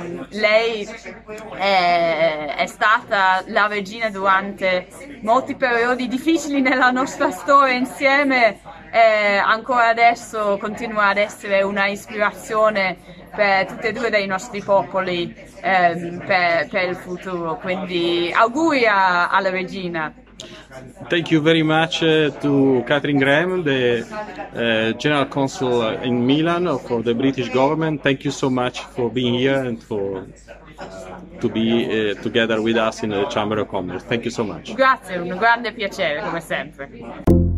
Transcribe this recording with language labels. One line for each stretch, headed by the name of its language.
Italian: Lei è stata la regina durante molti periodi difficili nella nostra storia insieme, e ancora adesso continua ad essere una ispirazione per tutte e due dei nostri popoli, per il futuro. Quindi auguri alla regina.
English: Thank you very much to Catherine Graham, the General Consul in Milan for the British government. Thank you so much for being here and for to be together with us in the Chamber of Commerce. Thank you so much.
Italian: Grazie, un grande piacere come sempre.